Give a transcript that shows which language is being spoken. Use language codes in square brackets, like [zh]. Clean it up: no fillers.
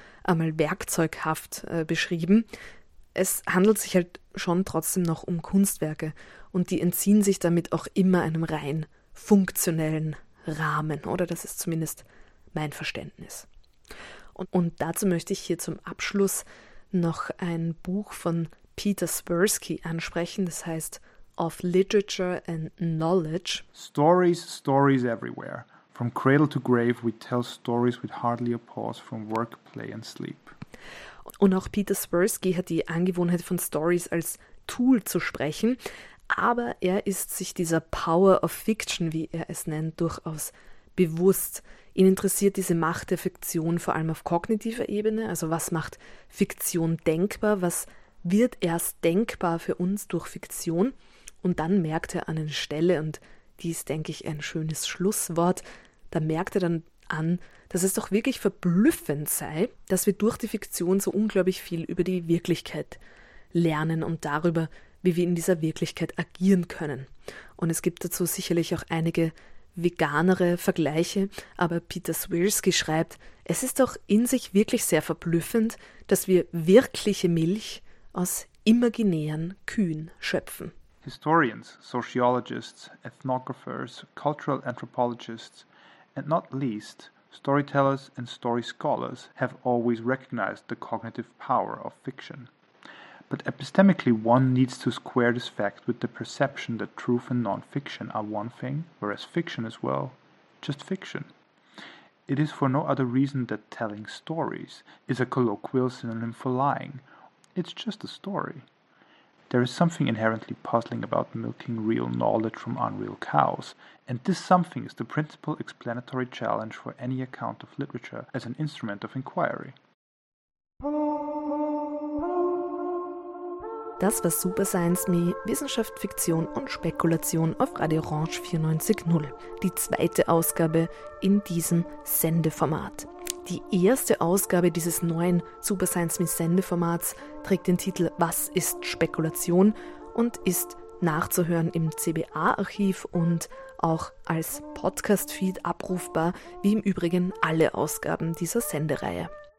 [de] einmal werkzeughaft beschrieben. Es handelt sich halt schon trotzdem noch um Kunstwerke und die entziehen sich damit auch immer einem rein funktionellen Rahmen, oder? Das ist zumindest mein Verständnis. Und dazu möchte ich hier zum Abschluss noch ein Buch von Peter Swirsky ansprechen, das heißt Of Literature and Knowledge. [en] Stories, stories everywhere. From cradle to grave we tell stories with hardly a pause from work, play and sleep. [de] Und auch Peter Swirsky hat die Angewohnheit von Stories als Tool zu sprechen, aber er ist sich dieser Power of Fiction, wie er es nennt, durchaus bewusst. Ihn interessiert diese Macht der Fiktion vor allem auf kognitiver Ebene, also was macht Fiktion denkbar, was wird erst denkbar für uns durch Fiktion, und dann merkt er an eine Stelle, und dies, denke ich, ein schönes Schlusswort, da merkt er dann an, dass es doch wirklich verblüffend sei, dass wir durch die Fiktion so unglaublich viel über die Wirklichkeit lernen und darüber, wie wir in dieser Wirklichkeit agieren können. Und es gibt dazu sicherlich auch einige veganere Vergleiche, aber Peter Swirsky schreibt, es ist doch in sich wirklich sehr verblüffend, dass wir wirkliche Milch aus imaginären Kühen schöpfen. [en] Historians, sociologists, ethnographers, cultural anthropologists, and not least, storytellers and story scholars have always recognized the cognitive power of fiction. But epistemically, one needs to square this fact with the perception that truth and non-fiction are one thing, whereas fiction is, well, just fiction. It is for no other reason that telling stories is a colloquial synonym for lying. It's just a story. There is something inherently puzzling about milking real knowledge from unreal cows, and this something is the principal explanatory challenge for any account of literature as an instrument of inquiry. [de] Das war Super Science Me, Wissenschaft, Fiktion und Spekulation auf Radio Orange 94.0, die zweite Ausgabe in diesem Sendeformat. Die erste Ausgabe dieses neuen Super Science Me Sendeformats trägt den Titel Was ist Spekulation und ist nachzuhören im CBA-Archiv und auch als Podcast-Feed abrufbar, wie im Übrigen alle Ausgaben dieser Sendereihe.